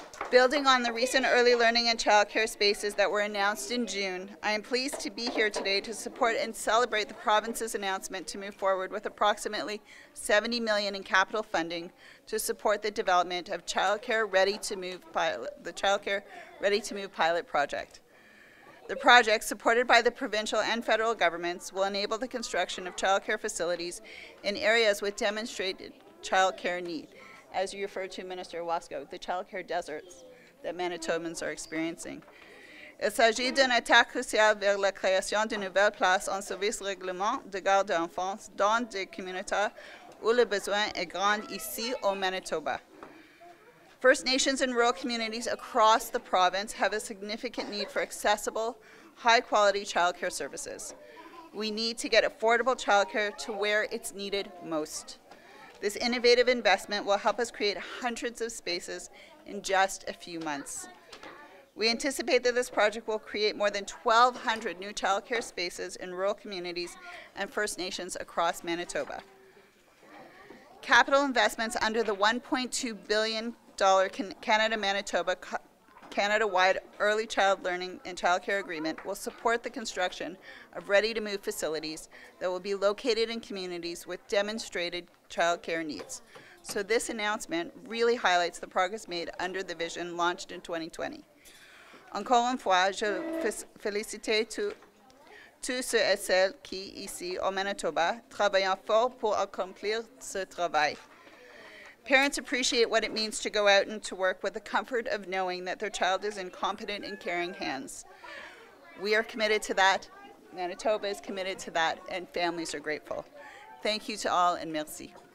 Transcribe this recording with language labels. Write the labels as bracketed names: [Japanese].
[English] Building on the recent early learning and childcare spaces that were announced in June, I am pleased to be here today to support and celebrate the province's announcement to move forward with approximately $70 million in capital funding to support the development of the Childcare Ready to Move pilot project. The project, supported by the provincial and federal governments, will enable the construction of childcare facilities in areas with demonstrated childcare need, as you refer to Minister Ewasko, the childcare deserts that Manitobans are experiencing. [French] Il s'agit d'une étape cruciale vers la création de nouvelles places en service règlement de garde d'enfants dans des communautés où le besoin est grand ici au Manitoba. [English] First Nations and rural communities across the province have a significant need for accessible, high-quality childcare services. We need to get affordable childcare to where it's needed most. This innovative investment will help us create hundreds of spaces in just a few months. We anticipate that this project will create more than 1,200 new childcare spaces in rural communities and First Nations across Manitoba. Capital investments under the $1.2 billion Canada-Manitoba Canada-wide early child learning and child care agreement will support the construction of ready-to-move facilities that will be located in communities with demonstrated child care needs. So this announcement really highlights the progress made under the vision launched in 2020. [French] Encore une fois, je félicite tous ceux et celles qui, ici, au Manitoba, travaillent fort pour accomplir ce travail. [English] Parents appreciate what it means to go out and to work with the comfort of knowing that their child is in competent and caring hands. We are committed to that, Manitoba is committed to that, and families are grateful. Thank you to all, and merci.